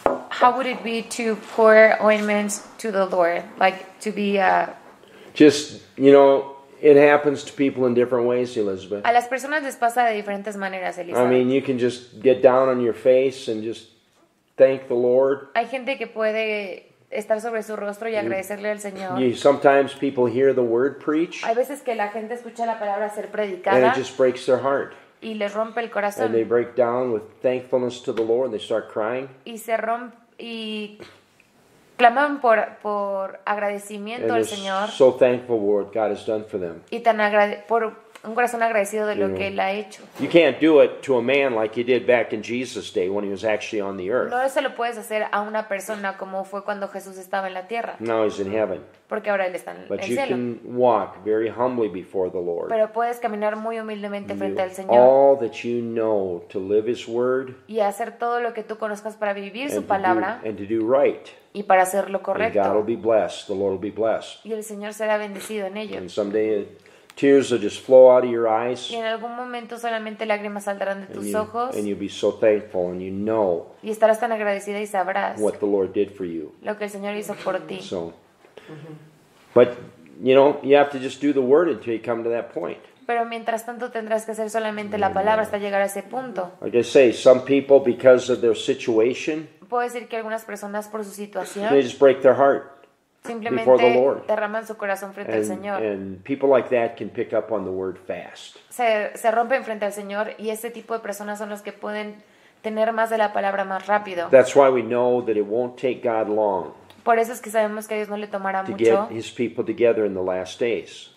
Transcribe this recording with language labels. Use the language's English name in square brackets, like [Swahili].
[English] How would it be to pour ointments to the Lord? Like to be a. Just, you know, it happens to people in different ways, Elizabeth. [Spanish] A las personas les pasa de diferentes maneras, Elizabeth. [English] I mean, you can just get down on your face and just thank the Lord. [Spanish] Hay gente que puede estar sobre su rostro y agradecerle al Señor. [English] Sometimes people hear the word preach. [Spanish] Hay veces que la gente escucha la palabra ser predicada. [English] And it just breaks their heart. [Spanish] Y les rompe el corazón. [English] And they break down with thankfulness to the Lord and they start crying. [Spanish] Y se rompe y claman por agradecimiento [English] and [Spanish] al Señor. [English] So thankful for what God has done for them. [Spanish] Y tan por un corazón agradecido de lo que él ha hecho. [English] You can't do it to a man like you did back in Jesus' day when he was actually on the earth. [Spanish] No se lo puedes hacer a una persona como fue cuando Jesús estaba en la tierra. [English] No, he's in heaven. [Spanish] Porque ahora él está en el cielo. [English] But you can walk very humbly before the Lord. [Spanish] Pero puedes caminar muy humildemente frente al Señor. [English] All that you know to live His word. [Spanish] Y hacer todo lo que tú conozcas para vivir su palabra. [English] And to do right. [Spanish] Y para hacer lo correcto. [English] And God will be blessed. The Lord will be blessed. [Spanish] Y el Señor será bendecido en ello. [English] And someday tears will just flow out of your eyes. [Spanish] Y en algún momento solamente lágrimas saldrán de tus ojos. [English] And you'll be so thankful and you know. [Spanish] Y estarás tan agradecida y sabrás [English] what the Lord did for you. [Spanish] Lo que el Señor hizo por ti. [English] So, but You know, you have to just do the word until you come to that point. [Spanish] Pero mientras tanto tendrás que hacer solamente la palabra hasta llegar a ese punto. [English] Like I say, some people, because of their situation, [Spanish] puedo decir que algunas personas por su situación, [English] they just break their heart before the Lord. [Spanish] Simplemente derraman su corazón frente al Señor. [English] And people like that can pick up on the word fast. [Spanish] Se rompen frente al Señor y ese tipo de personas son los que pueden tener más de la palabra más rápido. [English] That's why we know that it won't take God long. [Spanish] Por eso es que sabemos que a Dios no le tomará mucho. [English] To get his people together in the last days.